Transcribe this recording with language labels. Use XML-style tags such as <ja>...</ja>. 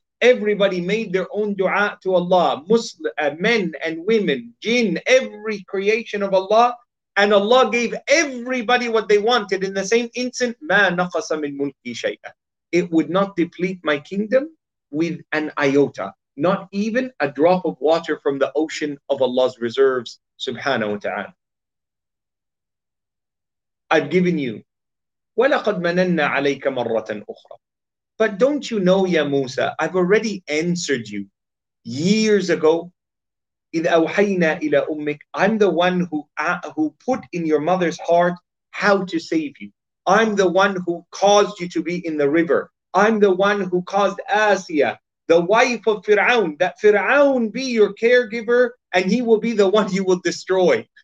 <en>Everybody made their own dua to Allah, men and women, jinn, every creation of Allah, and Allah gave everybody what they wanted in the same instant.</en> <ar>مَا نَقَصَ مِنْ مُلْكِي شَيْئًا.</ar> <en>It would not deplete my kingdom with an iota, not even a drop of water from the ocean of Allah's reserves, subhanahu wa ta'ala. I've given you,</en> <ar>وَلَقَدْ مَنَنَّا عَلَيْكَ مَرَّةً أُخْرَى.</ar> <en>But don't you know, ya Musa, I've already answered you years ago.</en> <ar>إِذْ أَوْحَيْنَا إِلَىٰ أُمِّكَ.</ar> <en>I'm the one who put in your mother's heart how to save you. I'm the one who caused you to be in the river. I'm the one who caused Asiya, the wife of Fir'aun, that Fir'aun be your caregiver and he will be the one you will destroy.</en>